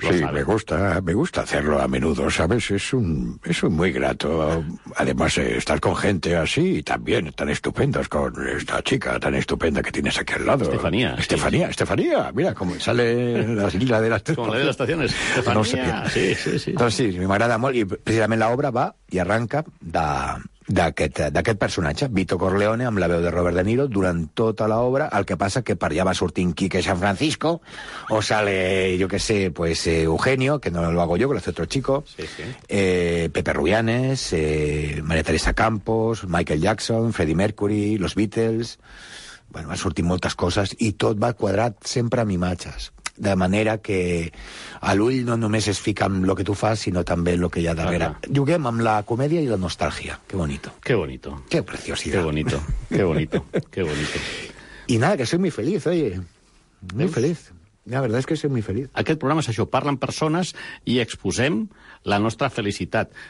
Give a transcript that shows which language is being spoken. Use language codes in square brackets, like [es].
[es] Me gusta hacerlo a menudo, ¿sabes? Es un muy grato. Además, estar con gente así y también tan estupendas con esta chica tan estupenda que tienes aquí al lado. Estefanía. Estefanía. Mira cómo sale la isla de las estaciones. Como la de las estaciones. Estefanía. No sé qué. Entonces, me agrada [ca] molt. [es] Y precisamente la obra va y arranca [ca] d'aquest personatge, Vito Corleone, amb la veu de Robert De Niro, durant tota l'obra. El que passa que per allà va sortint [es] Quique San Francisco, o sale, Eugenio, que no lo hago yo, que lo hace otro chico, Pepe Rubianes, María Teresa Campos, Michael Jackson, Freddie Mercury, los Beatles... [ca] Bueno, van sortint moltes coses, i tot va quadrat sempre amb imatges. De manera que a l'ull no només es fica en lo que tu fas, sinó també en lo que hi ha darrere. Juguem amb la comèdia i la nostàlgia. [es] Qué bonito. Qué bonito. Qué preciosidad. Qué bonito. Qué bonito. Qué bonito. Y nada, que soy muy feliz, oye. Muy feliz. La verdad es que soy muy feliz. [ca] Aquest programa és això, parlen persones i exposem la nostra felicitat.